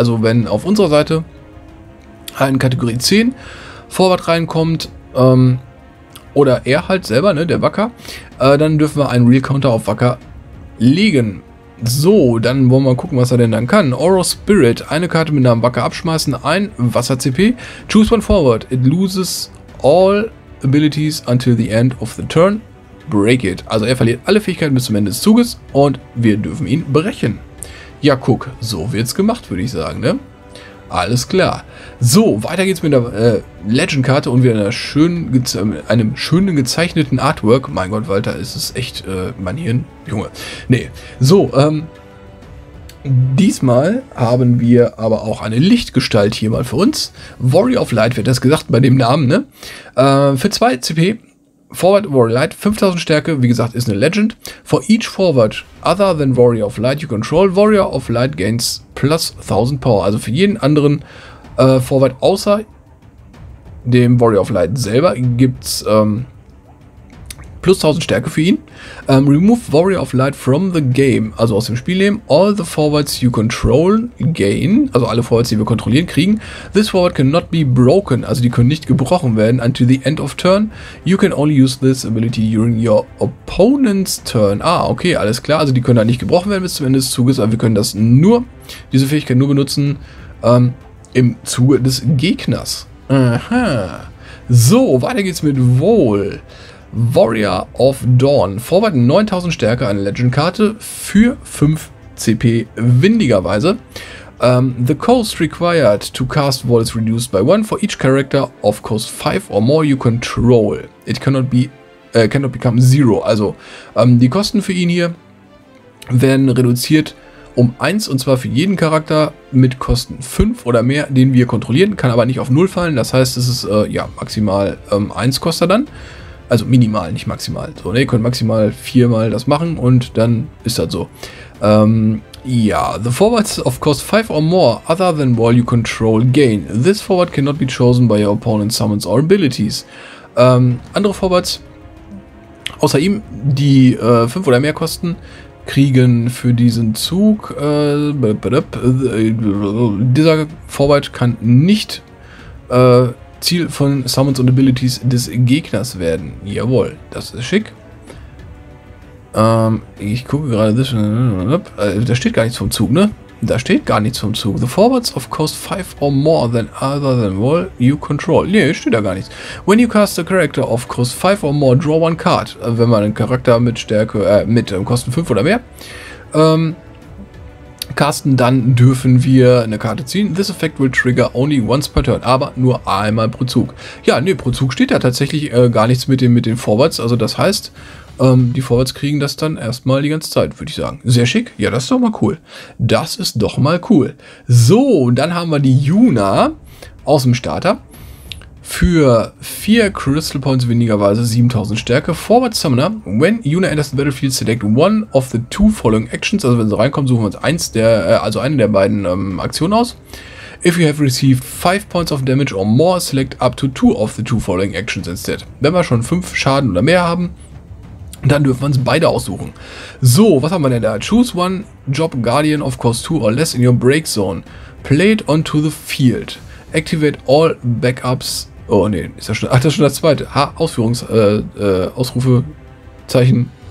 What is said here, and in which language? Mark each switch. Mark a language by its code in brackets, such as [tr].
[de] Also wenn auf unserer Seite in Kategorie 10 Forward reinkommt, oder er halt selber, ne, der Wacker, dann dürfen wir einen Real Counter auf Wacker legen. So, dann wollen wir mal gucken, was er denn dann kann. Aura Spirit, eine Karte mit Namen Wacker abschmeißen, ein Wasser CP. [en] Choose one Forward. It loses all abilities until the end of the turn. Break it. [de] Also er verliert alle Fähigkeiten bis zum Ende des Zuges und wir dürfen ihn brechen. Ja, guck, so wird's gemacht, würde ich sagen, ne? Alles klar. So, weiter geht's mit der Legend-Karte und wieder einem schönen gezeichneten Artwork. Mein Gott, Walter, ist es echt mein Hirn? Junge. Nee. So, diesmal haben wir aber auch eine Lichtgestalt hier mal für uns. Warrior of Light, wird das gesagt bei dem Namen, ne? Für 2 CP, Forward Warrior Light, 5000 Stärke, wie gesagt, ist eine Legend. [en] For each Forward other than Warrior of Light you control, Warrior of Light gains plus 1000 Power. [de] Also für jeden anderen Forward außer dem Warrior of Light selber gibt's plus 1000 Stärke für ihn. [en] Remove Warrior of Light from the game, [de] also aus dem Spiel nehmen. [en] All the Forwards you control gain, [de] also alle Forwards, die wir kontrollieren, kriegen. [en] This Forward cannot be broken, [de] also die können nicht gebrochen werden, [en] until the end of turn. You can only use this ability during your opponent's turn. [de] Ah, okay, alles klar, also die können da nicht gebrochen werden bis zum Ende des Zuges, aber wir können das nur, diese Fähigkeit nur benutzen, im Zuge des Gegners. Aha. So, weiter geht's mit Vol. Warrior of Dawn. Forward 9000 Stärke, eine Legend-Karte für 5 CP windigerweise. [en] The cost required to cast Vol is reduced by 1 for each character of cost 5 or more you control. It cannot become 0. [de] Also die Kosten für ihn hier werden reduziert um 1 und zwar für jeden Charakter mit Kosten 5 oder mehr, den wir kontrollieren, kann aber nicht auf 0 fallen. Das heißt, es ist ja maximal 1 kostet dann. Also minimal, nicht maximal. So, ne, ihr könnt maximal 4 mal das machen und dann ist das so. [en] Ja, the forwards of cost 5 or more other than while you control gain. This forward cannot be chosen by your opponent's summons or abilities. [de] Andere Forwards, außer ihm, die 5 oder mehr kosten, kriegen für diesen Zug, dieser Forward kann nicht Ziel von Summons und Abilities des Gegners werden. Jawohl, das ist schick. Ich gucke gerade, da steht gar nichts vom Zug, ne? Da steht gar nichts vom Zug. [en] The forwards of cost 5 or more than other than wall you control. [de] Ne, steht da gar nichts. [en] When you cast a character of cost 5 or more, draw one card. [de] Wenn man einen Charakter mit Stärke, Kosten 5 oder mehr, casten, dann dürfen wir eine Karte ziehen. [en] This effect will trigger only once per turn, [de] aber nur einmal pro Zug. Ja, ne, pro Zug steht da tatsächlich gar nichts mit den forwards, also das heißt, die Forwards kriegen das dann erstmal die ganze Zeit, würde ich sagen. Sehr schick. Ja, das ist doch mal cool. Das ist doch mal cool. So, dann haben wir die Yuna aus dem Starter. Für 4 Crystal Points wenigerweise 7000 Stärke. Forward Summoner. [en] When Yuna enters the battlefield, select one of the two following actions. [de] Also wenn sie reinkommt, suchen wir uns eine der beiden Aktionen aus. [en] If you have received 5 points of damage or more, select up to 2 of the two following actions instead. [de] Wenn wir schon 5 Schaden oder mehr haben, dann dürfen wir uns beide aussuchen. So, was haben wir denn da? [en] Choose one job guardian of cost 2 or less in your break zone. Play it onto the field. Activate all backups. [de] Oh ne, ist das schon. Ach, das ist schon das zweite. Ha, Ausrufezeichen.